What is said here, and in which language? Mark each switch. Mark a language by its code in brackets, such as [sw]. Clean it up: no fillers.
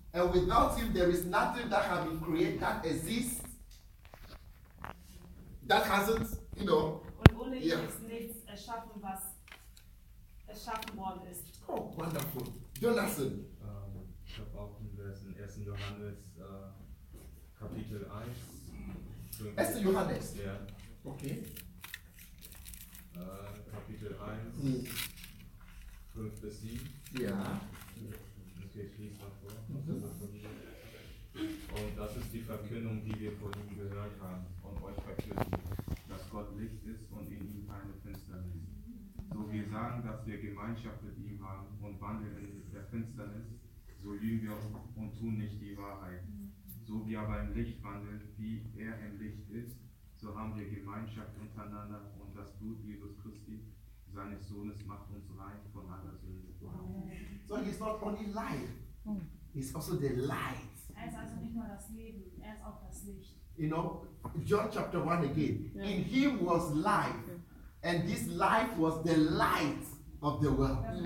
[en] And without him, there is nothing that has been created that exists. That hasn't, you know. [de] Und ohne ihn ist nichts erschaffen, was erschaffen worden ist. [en] Oh, wonderful. Jonathan. [de] Ich habe auch den Vers in 1. Johannes, Kapitel 1. 5, 1. Johannes? Ja. Okay. Kapitel 1, 5 bis 7. Ja. Okay, ich lese mal vor. Und das ist die Verkündung, die wir vor ihm gehört haben und euch verkünden, dass Gott Licht ist und in ihm keine Finsternis. So wir sagen, dass wir Gemeinschaft mit ihm haben und wandeln in der Finsternis, so lügen wir und tun nicht die Wahrheit. So wir aber im Licht wandeln, wie er im Licht ist, so haben wir Gemeinschaft untereinander und das Blut Jesus Christi, seines Sohnes, macht uns rein von aller Sünde. [en] So he's not only light, he's also the light. [de] Er ist also nicht nur das Leben, er ist auch das Licht. [en] You know, John chapter 1 again. Yeah. In him was life. And this life was the light of the world.